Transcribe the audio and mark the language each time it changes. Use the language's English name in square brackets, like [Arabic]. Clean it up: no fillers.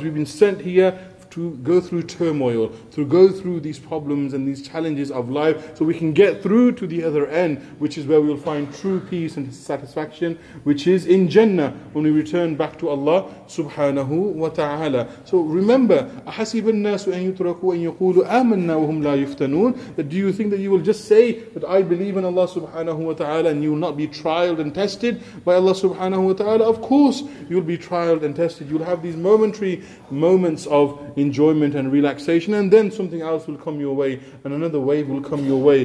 [English] We've been sent here to go through turmoil, to go through these problems and these challenges of life, so we can get through to the other end, which is where we will find true peace and satisfaction, which is in Jannah, when we return back to Allah subhanahu wa ta'ala. So remember, [Arabic] أَحَسِبَ النَّاسُ أَن يُتْرَكُوا أَن يَقُولُوا آمَنَّا وَهُمْ لَا يُفْتَنُونَ. [English] Do you think that you will just say that I believe in Allah subhanahu wa ta'ala and you will not be trialed and tested by Allah subhanahu wa ta'ala? Of course you'll be trialed and tested. You'll have these momentary moments of enjoyment and relaxation, and then something else will come your way, and another wave will come your way.